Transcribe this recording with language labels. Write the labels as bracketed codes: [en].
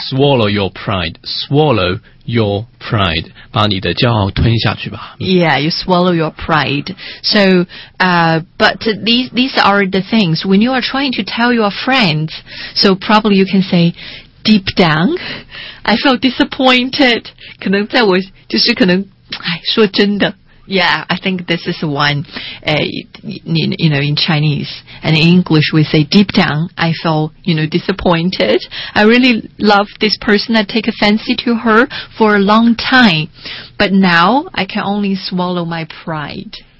[en] Swallow your pride. Swallow your pride. [zh] 把你的骄傲吞下去吧。 [en] Yeah, you swallow your pride. So, but these are the things when you are trying to tell your friends. So probably you can say, deep down, I felt disappointed. [zh] 可能在我就是可能唉说真的。 [en] Yeah, I think this is one, you know, in Chinese. And in English, we say, deep down, I felt, you know, disappointed. I really love this person. I take a fancy to her for a long time. But now, I can only swallow my pride.